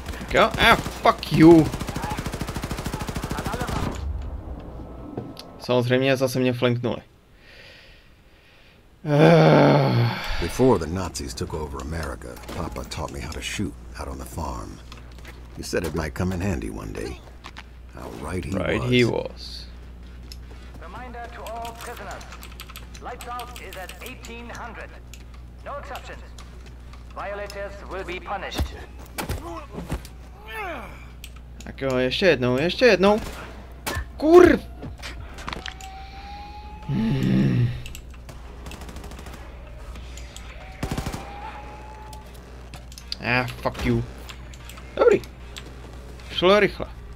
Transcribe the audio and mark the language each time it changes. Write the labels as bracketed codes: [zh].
[en] Jo, fuck you. [cs] Samozřejmě zase mě flinknuli. [en] Before the Nazis took over America, Papa taught me how to shoot out on the farm. He said it might come in handy one day. How right he was. Right he was. Reminder to all prisoners. Lights out is at 1800. No exceptions. Violators will be punished. [cs] Tak jo, ještě jednou, ještě jednou. Kurv! [en] Fuck you. [cs] Dobrý. Šlo rychle.